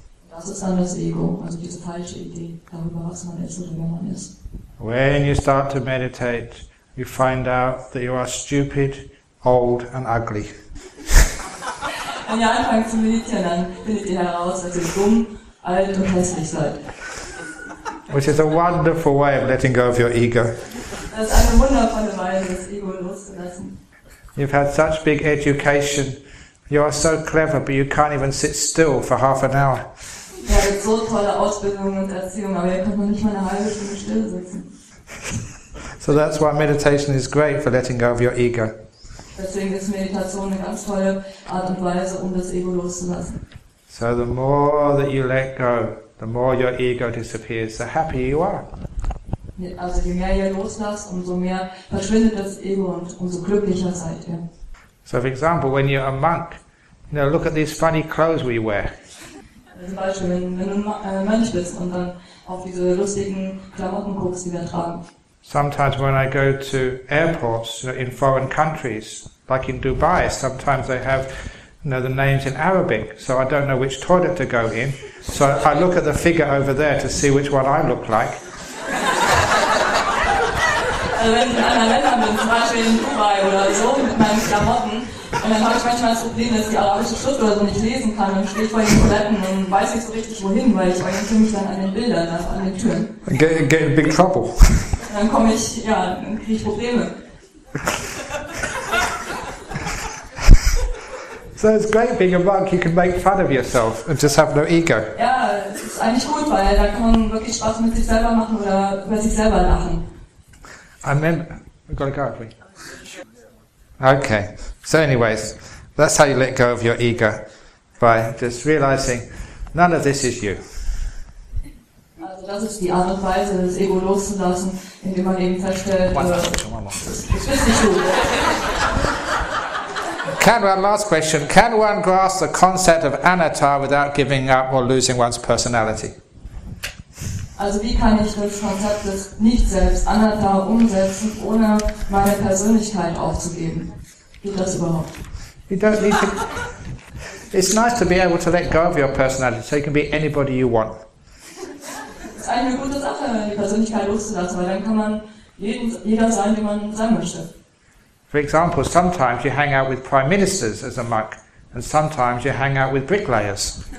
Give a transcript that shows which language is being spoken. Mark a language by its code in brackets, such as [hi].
[de] Das ist dann das Ego, also diese falsche Idee darüber, was man ist oder wer man ist. [en] When you start to meditate, you find out that you are stupid, old and ugly. [de] Wenn ihr anfangt zu meditieren, dann findet ihr heraus, dass ihr dumm, alt und hässlich seid. [en] Which is a wonderful way of letting go of your ego. [de] Das ist eine wundervolle Weise, das Ego loszulassen. [en] You've had such big education You are so clever, but you can't even sit still for half an hour. [de] Ja, mit so tolle Ausbildung und Erziehung, aber ihr könnt man nicht mal eine halbe Stunde still sitzen. [en] So that's why meditation is great for letting go of your ego. [de] Deswegen ist Meditation eine ganz tolle Art und Weise, um das Ego loszulassen. [en] So the more that you let go, the more your ego disappears, the happier you are. [de] Also je mehr ihr loslasst, umso mehr verschwindet das Ego und umso glücklicher seid ihr. [en] So for example, when you're a monk, you know, look at these funny clothes we wear. [de] Zum Beispiel, wenn du ein Mönch bist und dann auf diese lustigen Klamotten guckst, die wir tragen. [en] Sometimes when I go to airports in foreign countries, like in Dubai, sometimes they have, you know, the names in Arabic, so I don't know which toilet to go in. So I look at the figure over there to see which one I look like. [de] Also wenn ich in anderen Ländern bin, zum Beispiel in Dubai oder so, mit meinen Klamotten, und dann habe ich manchmal das Problem, dass die arabische Schrift oder so nicht lesen kann und stehe vor den Toiletten und weiß nicht so richtig wohin, weil ich orientiere mich dann an den Bildern, an den Türen. [en] Get in big trouble. [de] Und dann komme ich, ja, dann kriege ich Probleme. [en] So it's great being a monk, you can make fun of yourself and just have no ego. [de] Ja, es ist eigentlich gut, weil da kann man wirklich Spaß mit sich selber machen oder über sich selber lachen. [en] I remember, we've got to go, haven't we? Okay, so anyways, that's how you let go of your ego, by just realizing none of this is you. [de] Also das ist die Art und Weise, das Ego loszulassen, indem man eben feststellt, [en] one last question, one more. Can one, last question, can one grasp the concept of anatta without giving up or losing one's personality? [de] Also wie kann ich das Konzept des Nicht-Selbst, Anatta, umsetzen, ohne meine Persönlichkeit aufzugeben? Geht das überhaupt? [en] You don't need to... It's nice to be able to let go of your personality, so you can be anybody you want. [de] Es ist eigentlich eine gute Sache, die Persönlichkeit loszulassen, weil dann kann man jeder sein, wie man sein möchte. [en] For example, sometimes you hang out with prime ministers as a monk, and sometimes you hang out with bricklayers.